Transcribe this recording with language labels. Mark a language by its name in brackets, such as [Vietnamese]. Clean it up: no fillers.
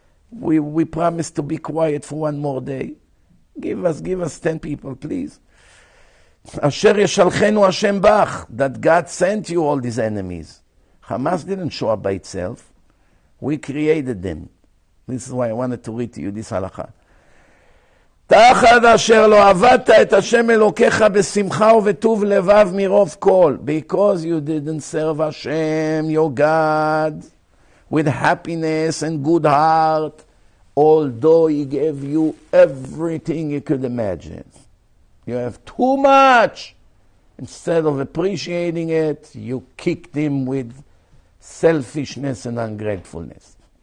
[English] We promise to be quiet for one more day. Give us 10 people, please. [Hebrew] Asher yeshalchenu Hashem bach, [English] that God sent you all these enemies. Hamas didn't show up by itself. We created them. This is why I wanted to read to you this halakha. [Hebrew] תחד אשר לא עבדת את השם אלוקיך בשמחה ובטוב לבב מרוב כל. [English] Because you didn't serve Hashem, your God, with happiness and good heart, although he gave you everything you could imagine. You have too much. Instead of appreciating it, you kicked him with selfishness and ungratefulness.